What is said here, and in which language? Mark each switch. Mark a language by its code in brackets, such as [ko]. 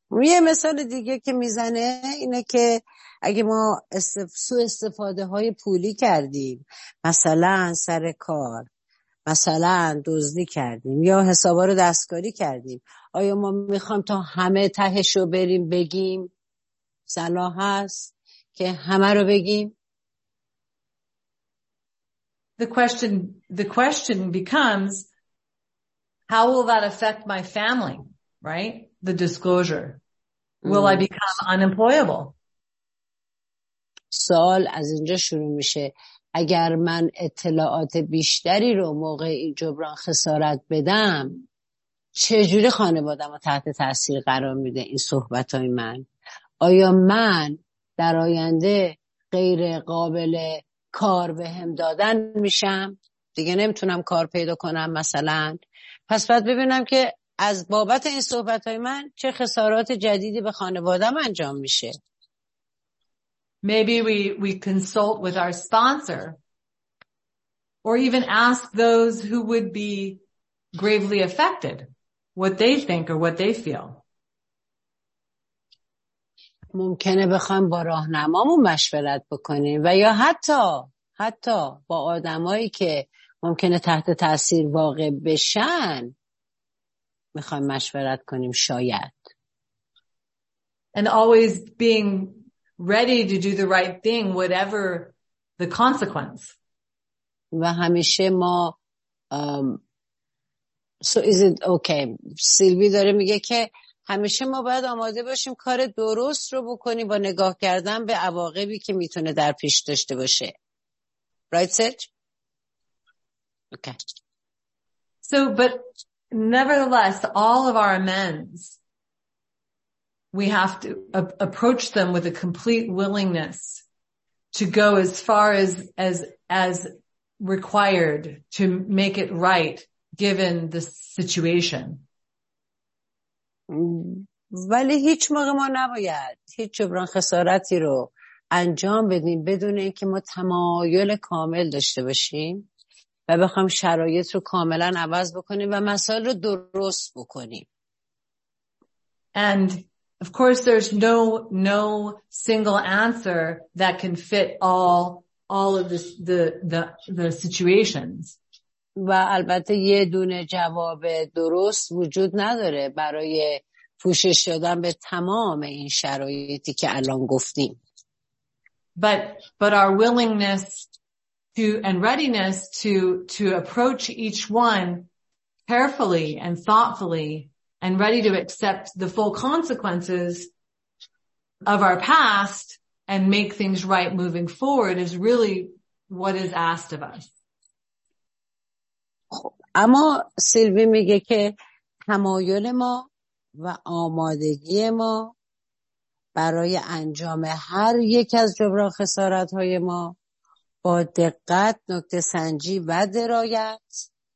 [fa] یه مثال دیگه که میزنه اینه که اگه ما سوء استفاده های پولی کردیم، مثلا سر کار، مثلا دزدی کردیم یا حسابا رو دستکاری کردیم، آیا ما میخوایم تا همه تهش رو بریم بگیم صلاح هست که همه رو بگیم؟ [en] The question becomes how will that affect my family, right? The disclosure. Will I become unemployable? [fa] سوال از اینجا شروع میشه. اگر من اطلاعات بیشتری رو موقع این جبران خسارت بدم، چجوری خانوادم رو تحت تأثیر قرار میده این صحبتای من؟ آیا من در آینده غیر قابل کار بهم دادن میشم؟ دیگه نمیتونم کار پیدا کنم مثلا؟ پس باید ببینم که از بابت این صحبت های من چه خسارات جدیدی به خانواده‌ام انجام میشه. [en] Maybe we consult with our sponsor or even ask those who would be gravely affected what they think or what they feel. [fa] ممکنه بخوام با راهنمامون مشورت بکنیم و یا حتی با آدمایی که ممکنه تحت تاثیر واقع بشن میخوایم مشورت کنیم شاید. [en] And always being ready to do the right thing whatever the consequence. [fa] و همیشه ما [en] so is it okay. [fa] سیلوی داره میگه که همیشه ما باید آماده باشیم کار درست رو بکنیم با نگاه کردن به عواقبی که میتونه در پیش داشته باشه. [en] Right, Serge? Okay. So but nevertheless, all of our amends, we have to approach them with a complete willingness to go as far as required to make it right given the situation. [fa] ولی هیچ موقع ما نباید هیچ جبران خسارتی رو انجام بدیم بدون اینکه ما تمایل کامل داشته باشیم و و بخوام شرایط رو کاملا عوض بکنیم و مسائل رو درست بکنیم. [en] And of course there's no single answer that can fit all of this, the situations. [fa] و البته یه دونه جواب درست وجود نداره برای پوشش دادن به تمام این شرایطی که الان گفتیم. [en] But our willingness to and readiness to approach each one carefully and thoughtfully and ready to accept the full consequences of our past and make things right moving forward is really what is asked of us. [fa] اما سیلوی میگه که تمایل ما و آمادگی ما برای انجام هر یک از جبران خسارت های ما با دقت، نکته سنجی و درایت